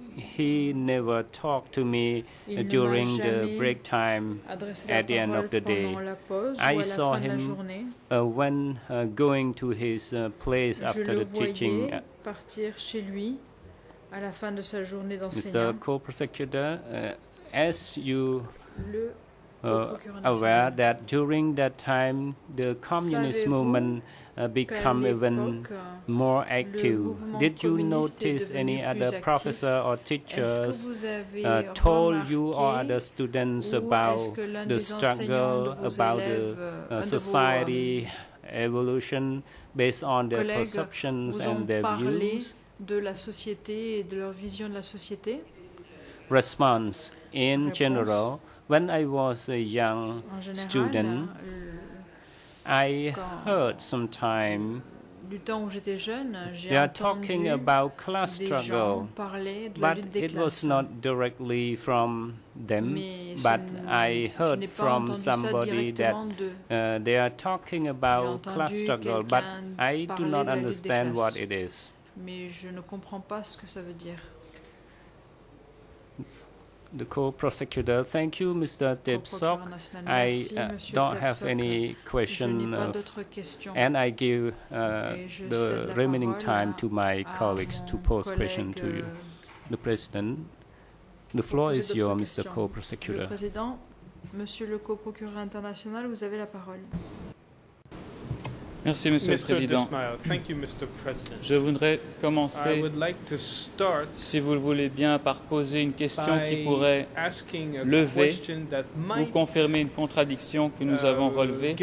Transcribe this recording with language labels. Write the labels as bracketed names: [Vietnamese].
[English] He never talked to me during the break time at the end of the day. I saw him when going to his place after the teaching. [French] Partir chez lui à la fin de sa journée d'enseignement. [English] Mr. Co-prosecutor, as you [French] le [English] aware that during that time the communist movement become even more active. Did you notice any other professor or teachers told you or other students about the struggle, about the society evolution based on their perceptions and their views? [French] De la société et de leur vision de la société? [English] Response. In general, when I was a young student, I heard sometime they are talking about class struggle, but it was not directly from them, but I heard from somebody that they are talking about class struggle, but I do not understand what it is. [French] Mais je ne comprends pas ce que ça veut dire. [English] The co-prosecutor, thank you, Mr. Tep Sok. I don't have any question, and I give the remaining time to my colleagues to pose question to you. The president, the floor is yours, Mr. Co-prosecutor. [French] Le président, Monsieur le co-procureur international, vous avez la parole. Merci, Monsieur le Président. [English] Thank you, Mr. President. [French] Je voudrais commencer, [English] I would like to start, [French] si vous le voulez bien, par poser une question qui pourrait lever ou confirmer une contradiction que nous avons relevée.